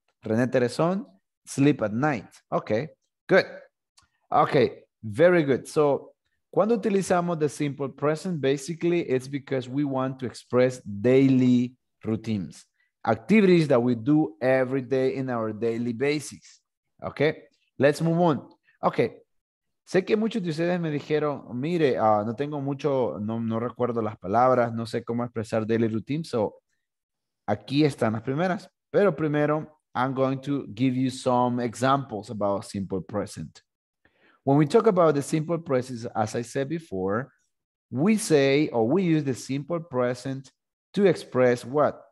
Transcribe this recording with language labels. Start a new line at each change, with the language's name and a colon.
English: René Teresón, sleep at night. Okay, good. Okay, very good. So,
Spanish: cuando utilizamos
English: the simple present, basically, it's because we want to express daily routines, activities that we do every day in our daily basis. Okay, let's move on. Okay.
Spanish: Sé que muchos de ustedes me dijeron, mire, no tengo mucho, no recuerdo las palabras, no sé cómo expresar daily routine, so aquí están las primeras. Pero primero,
English: I'm going to give you some examples about simple present. When we talk about the simple present, as I said before, we say or we use the simple present to express what?